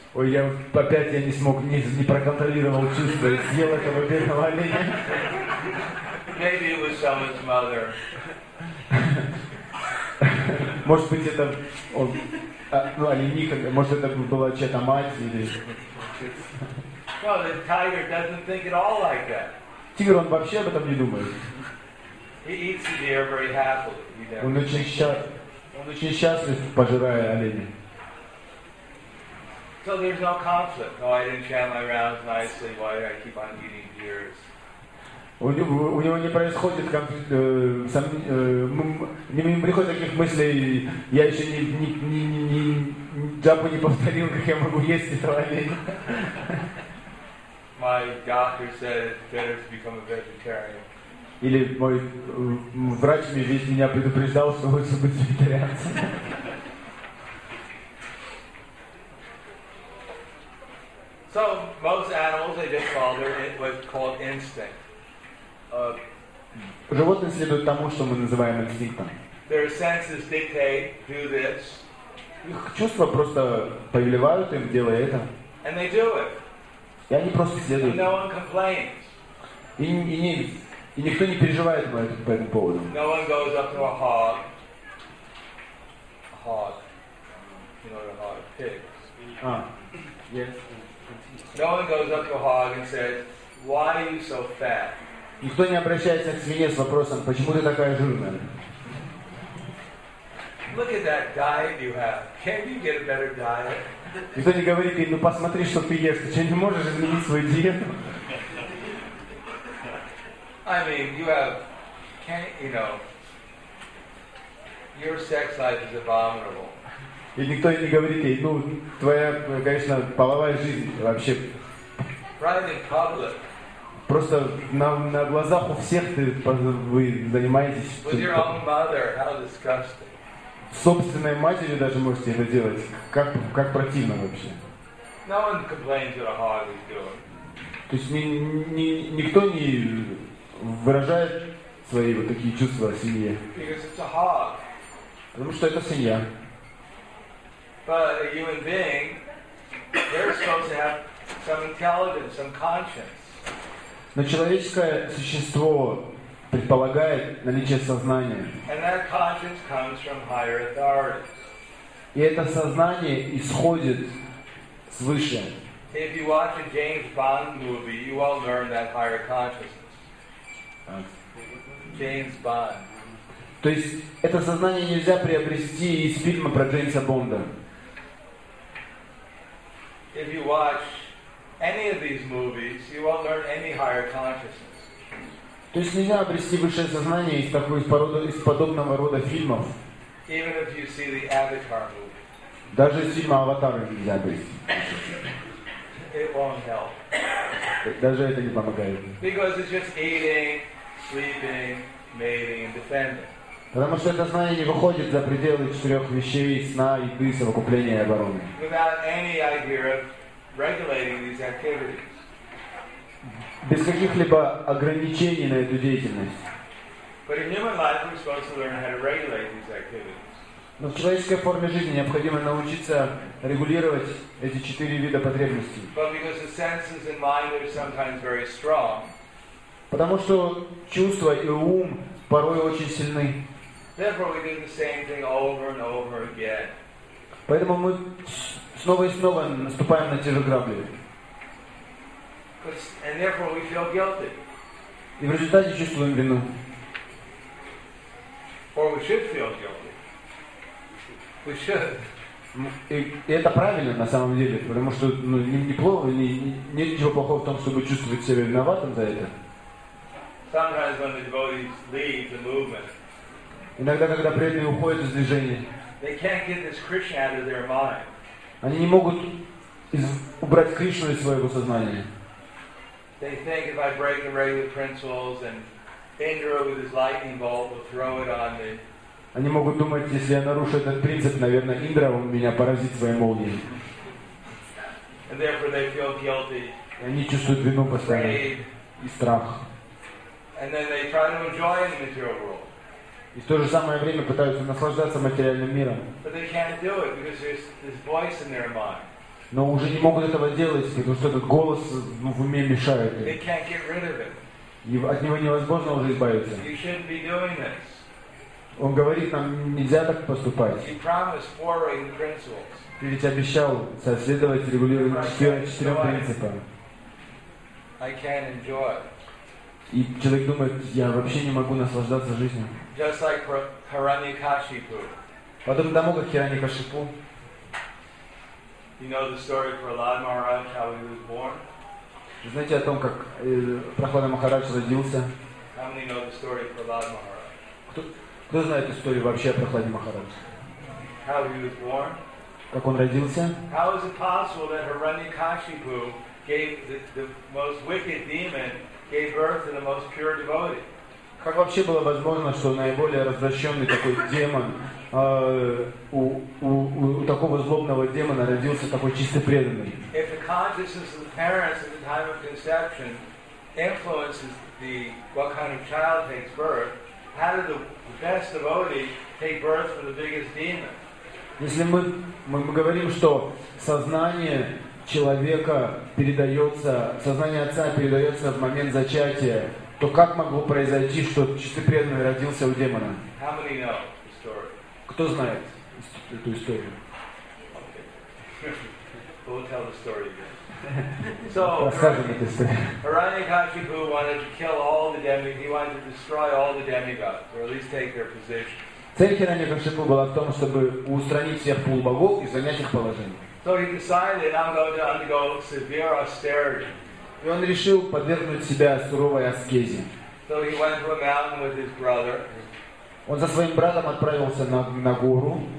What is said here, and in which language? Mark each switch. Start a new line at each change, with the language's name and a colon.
Russian: Ой, я опять я не смог, не проконтролировал чувства, съел этого бедного оленя.
English: Maybe it was someone's mother.
Russian: Может быть, это он. Ну, оленика, может, это была чья-то мать или.
English: No, the tiger doesn't think at all like that.
Russian: Тигр, он вообще об этом не думает.
English: He eats the deer very happily.
Russian: Он очень счастлив, пожирая оленя.
English: So there's no conflict. Oh, I didn't chant my rounds nicely. Why do I keep on eating deers?
Russian: У него не происходит не приходит таких мыслей, я еще не джапу не повторил, как я могу есть этого оленя.
English: My doctor said it's better to become a vegetarian.
Russian: Или мой врач весь меня предупреждал, что лучше быть вегетарианцем.
English: So most animals they just follow what's called instinct.
Russian: Животные следуют тому, что мы называем инстинктом.
English: Their senses dictate, do this.
Russian: Их чувства просто повелевают им, делай это.
English: And they do it.
Russian: И они просто следуют.
English: And no one complains.
Russian: И никто не переживает по этому поводу.
English: No one goes up to a hog. A hog. You know what a hog is? Pigs. Yes. No one goes up to a hog and says, why are you so fat?
Russian: Никто не обращается к свинье с вопросом, почему ты такая жирная?
English: Look at that diet you have. Can you get a better diet?
Russian: И кто-нибудь говорит ей, ну посмотри, что ты ешь, ты что, не можешь изменить свою диету?
English: I mean, you have, you know, your sex life is abominable.
Russian: И никто не говорит ей, ну, твоя, конечно, половая жизнь вообще.
English: Right in public.
Russian: Просто на глазах у всех вы занимаетесь. With your own mother, how disgusting. Собственной матери даже можете это делать. Как противно вообще.
English: No one complains at a hobby doing.
Russian: То есть никто не выражает свои вот такие чувства о семье.
English: Because it's a hog.
Russian: Потому что это семья.
English: But a human being, they're supposed to have some intelligence, some conscience.
Russian: Но человеческое существо предполагает наличие сознания.
English: And that conscience comes from higher authorities.
Russian: И это сознание исходит свыше.
English: If you watch a James Bond movie, you all learn that higher consciousness. James Bond.
Russian: То есть это сознание нельзя приобрести из фильма про Джеймса Бонда.
English: If you watch any of these movies, you won't learn any higher consciousness.
Russian: То есть нельзя обрести высшее сознание из такой из подобного рода фильмов.
English: Even if you see the Avatar movie.
Russian: Даже из фильма Аватар нельзя обрести.
English: It won't help.
Russian: Даже это не помогает.
English: Because it's just eating, sleeping, mating, and defending.
Russian: Потому что это знание не выходит за пределы четырех вещей: сна, еды, совокупления и обороны.
English: Without any idea of regulating these activities.
Russian: Без каких-либо ограничений на эту деятельность.
English: But in human life, we're supposed to learn how to regulate these activities.
Russian: Но в человеческой форме жизни необходимо научиться регулировать эти четыре вида потребностей.
English: But because the senses and mind are sometimes very strong.
Russian: Потому что чувства и ум порой очень сильны.
English: Therefore, we do the same thing over and over again.
Russian: Поэтому мы снова и снова наступаем на те же грабли.
English: And therefore we feel guilty.
Russian: И в результате чувствуем вину.
English: Or we should feel guilty. We should.
Russian: И это правильно на самом деле, потому что нет ничего плохого в том, чтобы чувствовать себя виноватым за это.
English: Sometimes when the devotees leave the movement.
Russian: Иногда, когда преданные уходят из движения,
English: they can't get this Krishna out of their mind.
Russian: Они не могут убрать Кришну из своего сознания.
English: They think if I break the regular principles and Indra with his lightning bolt will throw it on me.
Russian: Они могут думать, если я нарушу этот принцип, наверное, Индра меня поразит своей молнией.
English: And therefore they feel guilty.
Russian: И они чувствуют вину постоянно и страх.
English: And then they try to enjoy the material world.
Russian: И в то же самое время пытаются наслаждаться материальным миром.
English: But they can't do it because there's this voice in their mind.
Russian: Но уже не могут этого делать, потому что этот голос в уме мешает им.
English: They can't get rid of it.
Russian: И от него невозможно уже избавиться.
English: You shouldn't be doing this.
Russian: Он говорит нам, нельзя так поступать.
English: He promised following the principles.
Russian: Ты ведь обещал соследовать регулировать четырем принципам.
English: I can't enjoy it.
Russian: И человек думает, я вообще не могу наслаждаться жизнью.
English: Just like Hiranyakashipu.
Russian: Потом тому, как Hiranyakashipu.
English: You know the story of Prahlad Maharaj, how he was born?
Russian: Знаете о том, как Прохлада Махарадж родился?
English: How many know the story of Prahlad Maharaj?
Russian: Кто знает историю вообще о Прохладе Махарадже?
English: How he was born?
Russian: Как он родился?
English: How is it possible that Hiranyakashipu gave the most wicked demon gave birth to the most pure devotee?
Russian: Как вообще было возможно, что наиболее развращенный такой демон, у такого злобного демона родился такой чисто преданный?
English: If the consciousness of the parents at the time of conception influences the what kind of child takes birth, how did the best devotee take birth from the biggest demon?
Russian: Если мы говорим, что сознание человека передается, сознание отца передается в момент зачатия, то как могло произойти, что чистый преданный родился у демона?
English: How many know the story?
Russian: Кто знает эту историю?
English: Okay. We'll tell the story again. So,
Russian: расскажем эту историю.
English: Hiranyakashipu wanted to kill all the demigods. He wanted to destroy all the demigods, or at least take their position.
Russian: Цель Hiranyakashipu была в том, чтобы устранить всех полубогов и занять их положение.
English: So he decided I'm going to undergo severe austerity.
Russian: И он решил подвергнуть себя суровой аскезе.
English: So he went to a mountain with his brother.
Russian: Он со своим братом отправился на гору.